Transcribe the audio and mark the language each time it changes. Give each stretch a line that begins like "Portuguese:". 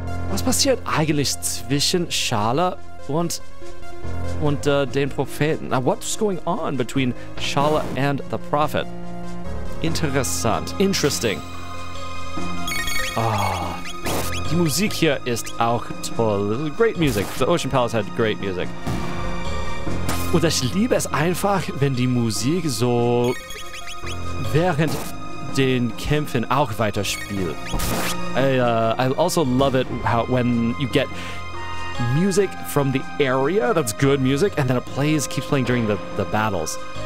German: Was passiert eigentlich zwischen Schala und den Propheten?
English: Now, what's going on between Schala and the Prophet?
German: Interessant.
English: Interesting.
German: Ah, oh, die Musik hier ist auch toll.
English: Great music. The Ocean Palace had great music.
German: Und ich liebe es einfach, wenn die Musik so während den Kämpfen auch weiterspielt.
English: I also love it how when you get music from the area, that's good music, and then it plays, keeps playing during the battles.